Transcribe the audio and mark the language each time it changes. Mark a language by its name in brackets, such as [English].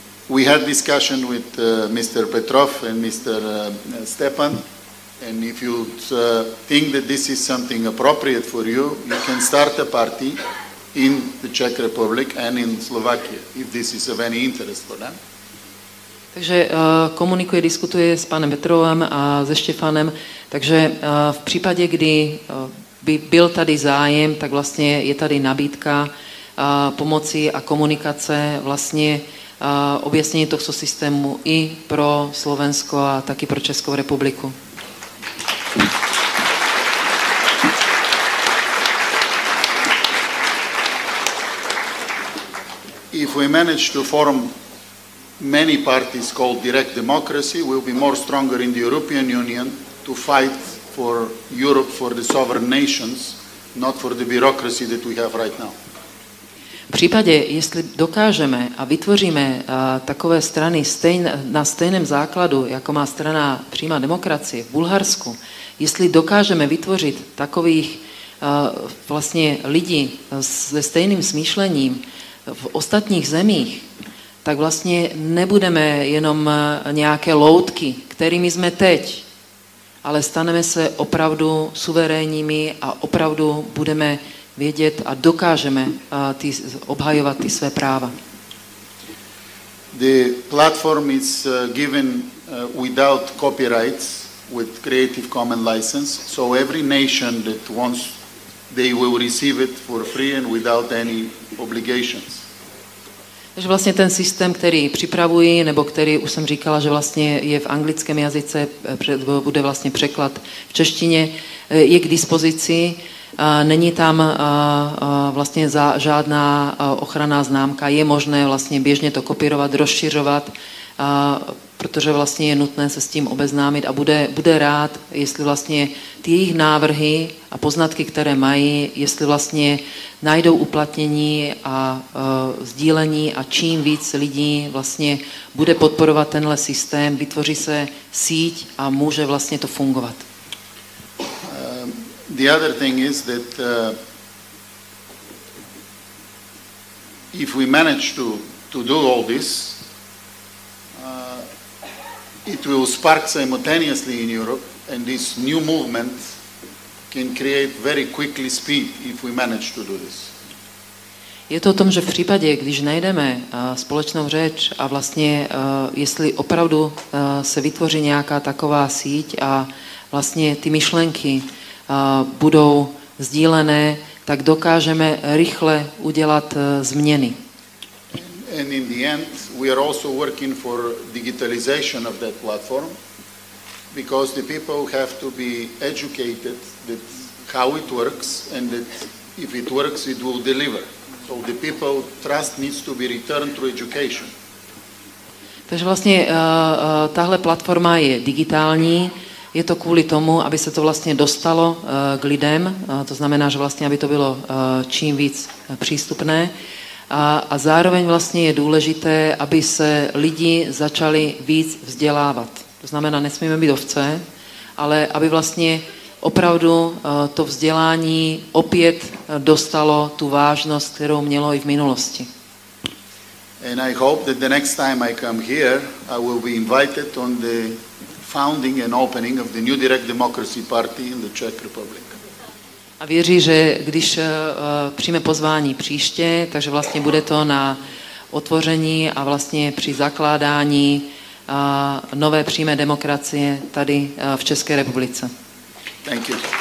[English] We had discussion with Mr. Petrov and Mr. Stepan, and if you think that this is something appropriate for you, you can start a party in the Czech Republic and in Slovakia, if this is of any interest for them. [Czech] Takže komunikuje, diskutuje s panem Petrovem a se Štefanem, takže v případě, kdy by byl tady zájem, tak vlastně je tady nabídka pomoci a komunikace, vlastně objasnění tohoto systému i pro Slovensko a taky pro Českou republiku. [English] If we manage to form many parties called direct democracy, will be more stronger in the European Union to fight for Europe, for the sovereign nations, not for the bureaucracy that we have right now. [Czech] V případě, jestli dokážeme a vytvoříme takové strany na stejném základu, jako má strana přímá demokracie v Bulharsku, jestli dokážeme vytvořit takových vlastně lidí se stejným smýšlením, v ostatních zemích, tak vlastně nebudeme jenom nějaké loutky, kterými jsme teď, ale staneme se opravdu suverénními a opravdu budeme vědět a dokážeme obhajovat ty své práva. [English] The platform is given without copyrights, with Creative Commons license, so every nation that wants, they will receive it for free and without any obligations. [Czech] Takže vlastně ten systém, který připravuji, nebo který už jsem říkala, že vlastně je v anglickém jazyce, bude vlastně překlad v češtině, je k dispozici. Není tam vlastně žádná ochranná známka. Je možné vlastně běžně to kopírovat, rozšiřovat, protože vlastně je nutné se s tím obeznámit a bude rád, jestli vlastně ty jejich návrhy a poznatky, které mají, jestli vlastně najdou uplatnění a sdílení a čím víc lidí vlastně bude podporovat tenhle systém, vytvoří se síť a může vlastně to fungovat. [English] The other thing is that if we manage to do all this, it will spark simultaneously in Europe, and this new movement can create very quickly speed if we manage to do this. [Czech] Je to o tom, že v případě, když najdeme společnou řeč a vlastně jestli opravdu se vytvoří nějaká taková síť a vlastně ty myšlenky budou sdílené, tak dokážeme rychle udělat změny. [English] And in the end, we are also working for digitalization of that platform, because the people have to be educated that how it works and that if it works, it will deliver. So the people trust needs to be returned through education. [Czech] Takže vlastně tahle platforma je digitální. Je to kvůli tomu, aby se to vlastně dostalo k lidem, to znamená, že vlastně, aby to bylo čím víc přístupné. A zároveň vlastně je důležité, aby se lidi začali víc vzdělávat. To znamená, nesmíme být ovce, ale aby vlastně opravdu to vzdělání opět dostalo tu vážnost, kterou mělo i v minulosti. [English] And I hope that the next time I come here, I will be invited on the founding and opening of the New Direct Democracy Party in the Czech Republic. [Czech] A věří, že když přijme pozvání příště, takže vlastně bude to na otvoření a vlastně při zakládání nové přímé demokracie tady v České republice. [English] Thank you.